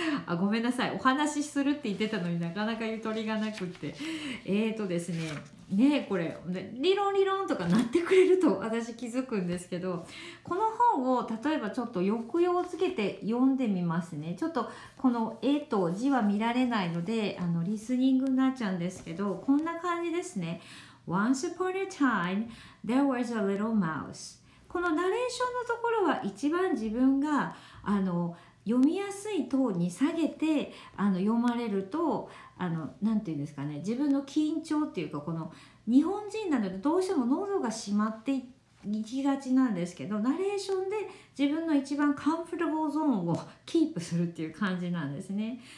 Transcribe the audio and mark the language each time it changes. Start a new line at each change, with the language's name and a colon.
Japanese: あ、ごめんなさい、お話しするって言ってたのになかなかゆとりがなくって、ですね、ねえ、これ、ね、リロンリロンとか鳴ってくれると私気づくんですけど、この本を例えばちょっと抑揚をつけて読んでみますね。ちょっとこの絵と字は見られないので、リスニングになっちゃうんですけど、こんな感じですね。
English: Once upon a time, there was a little mouse。
Japanese: このナレーションのところは一番自分が読みやすいトーンに下げて読まれると、なんていうんですかね、自分の緊張っていうか、この日本人なのでどうしても喉が閉まっていきがちなんですけど、ナレーションで自分の一番カンフォータブルゾーンをキープするっていう感じなんですね。